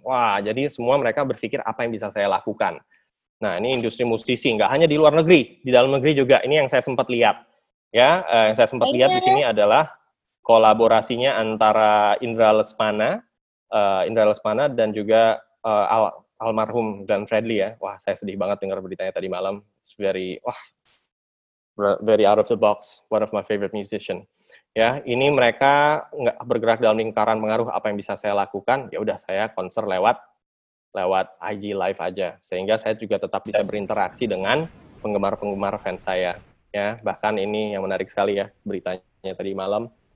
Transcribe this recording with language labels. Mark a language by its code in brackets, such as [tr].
[id] Wah, jadi semua mereka berpikir apa yang bisa saya lakukan. Nah, ini industri musisi, nggak hanya di luar negeri, di dalam negeri juga. Ini yang saya sempat lihat. Ya, yang saya sempat lihat di sini adalah kolaborasinya antara Indra Lesmana dan juga almarhum Glenn Fredly ya. Wah, saya sedih banget dengar beritanya tadi malam. [en] It's very, wah, very out of the box, one of my favorite musician. [id] Ya, ini mereka nggak bergerak dalam lingkaran pengaruh apa yang bisa saya lakukan. Ya udah saya konser lewat IG live aja, sehingga saya juga tetap bisa berinteraksi dengan penggemar fans saya. Ya, bahkan ini yang menarik sekali ya beritanya tadi malam.